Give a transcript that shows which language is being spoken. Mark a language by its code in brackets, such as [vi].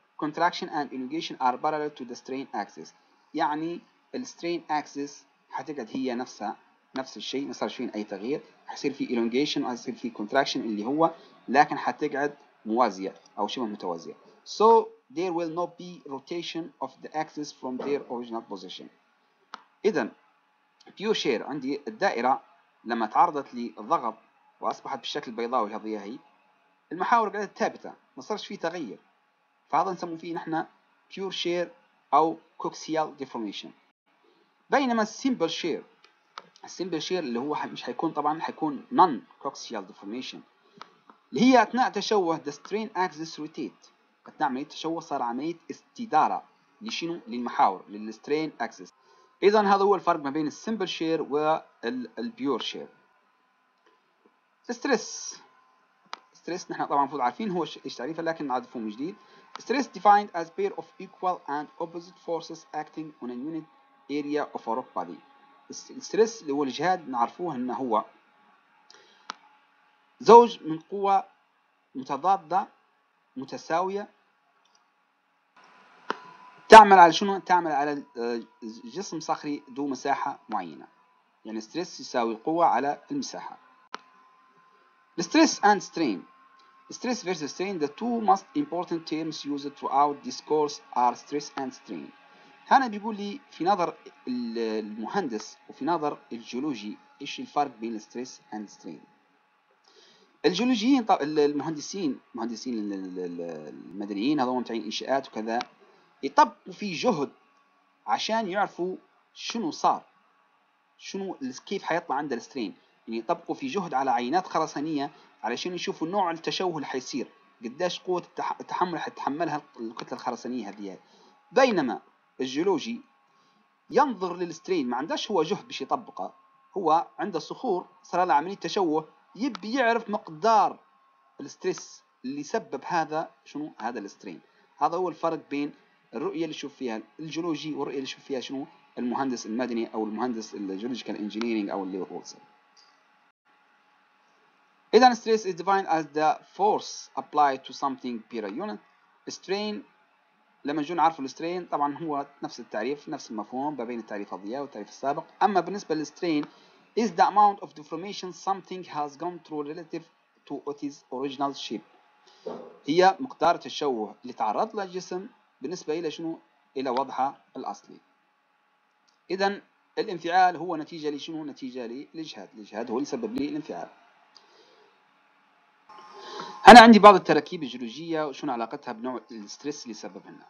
[en] Contraction and elongation are parallel to the strain axis. [ar] يعني ال strain axis هتقعد هي نفس الشيء، ما صار فيه أي تغيير، حصير في elongation وحصير في contraction اللي هو، لكن هتقعد موازية أو شبه متوازية. [en] So there will not be rotation of the axis from their original position. [ar] إذن pure shear عندي الدائرة لما تعرضت للضغط وأصبحت بالشكل البيضاوي هذه هي، المحاور قاعدة ثابتة، ما صارش فيه تغيير، فهذا نسموه فيه نحن pure shear أو coaxial deformation. بينما simple shear اللي هو مش هيكون طبعا، هيكون non coaxial deformation اللي هي أثناء تشوه [en] the strain axis rotate، [ar] أثناء عملية التشوه صار عملية استدارة لشنو؟ للمحاور، للسترين أكسس. إذا هذا هو الفرق ما بين السيمبل شير والبيور شير. الستريس، الستريس نحن طبعا المفروض عارفين هو ايش تعريفه، لكن نعرفه من جديد. [en] Stress defined as pair of equal and opposite forces acting on a unit area of a rock body. [ar] الستريس اللي هو الجهاد نعرفوه انه هو زوج من قوة متضادة متساوية تعمل على شنو؟ تعمل على جسم صخري ذو مساحة معينة. يعني الستريس يساوي القوة على المساحة. [en] الستريس and strain. Stress versus strain, the two most important terms used throughout this course are stress and strain. [ar] هنا بيقول لي في نظر المهندس وفي نظر الجيولوجي ايش الفرق بين [en] stress and strain. [ar] الجيولوجيين المهندسين، مهندسين المدنيين هذول متعين انشاءات وكذا، يطبقوا في جهد عشان يعرفوا شنو صار، شنو كيف حيطلع عند السترين. يعني يطبقوا في جهد على عينات خرسانية علشان يشوفوا نوع التشوه اللي حيصير، قداش قوة التحمل حتتحملها الكتلة الخرسانية هذه. بينما الجيولوجي ينظر للسترين، ما عندهش هو جهد باش يطبقه، هو عنده صخور صار له عملية تشوه، يبي يعرف مقدار الستريس اللي سبب هذا، شنو هذا السترين. هذا هو الفرق بين الرؤية اللي يشوف فيها الجيولوجي والرؤية اللي يشوف فيها شنو المهندس المدني او المهندس الجيولوجيكال انجينيرينج او اللي هو. [en] إذا stress is defined as the force applied to something per unit. [ar] Strain لما نجون عارفوا الstrain طبعا هو نفس التعريف، نفس المفهوم ما بين التعريف الضياء والتعريف السابق. أما بالنسبة للstrain [en] is the amount of deformation something has gone through relative to its original shape. [ar] هي مقدار التشوه اللي تعرض له الجسم بالنسبة إلى شنو؟ إلى وضعه الأصلي. إذا الانفعال هو نتيجة لشنو؟ نتيجة للإجهاد. الإجهاد هو اللي سبب لي الانفعال. هنا عندي بعض التركيب الجيولوجية وشون علاقتها بنوع الستريس اللي سبب لنا.